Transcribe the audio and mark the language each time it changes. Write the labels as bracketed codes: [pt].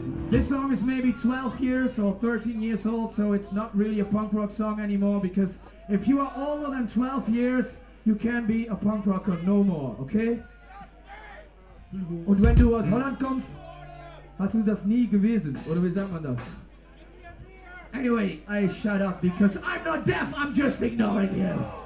[en] This song is maybe 12 years or 13 years old, so it's not really a punk rock song anymore, because if you are older than 12 years, you can't be a punk rocker no more, okay? [de] Und wenn du aus Holland kommst, hast du das nie gewesen, oder wie sagt man das? [en] Anyway, I shut up because I'm not deaf, I'm just ignoring you.